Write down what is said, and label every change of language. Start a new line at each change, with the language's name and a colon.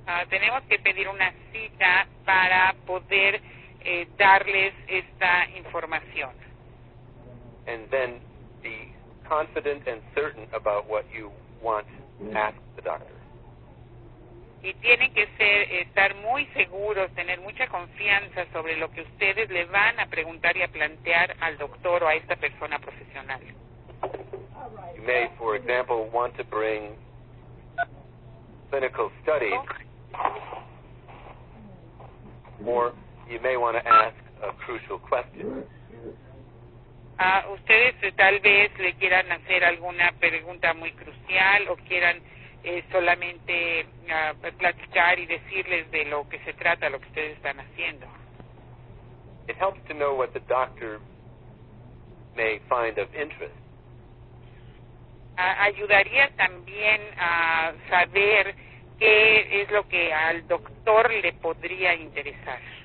Spanish: Tenemos que pedir una cita para poder darles esta información.
English: And then be confident and certain about what you want to ask the doctor.
Spanish: Y tienen que estar muy seguros, tener mucha confianza sobre lo que ustedes le van a preguntar y a plantear al doctor o a esta persona profesional.
English: You may, for example, want to bring clinical studies, or you may want to ask a crucial question.
Spanish: Ustedes tal vez le quieran hacer alguna pregunta muy crucial o quieran solamente platicar y decirles de lo que se trata, lo que ustedes están haciendo.
English: It helps to know what the doctor may find of interest.
Spanish: ayudaría también a saber qué es lo que al doctor le podría interesar.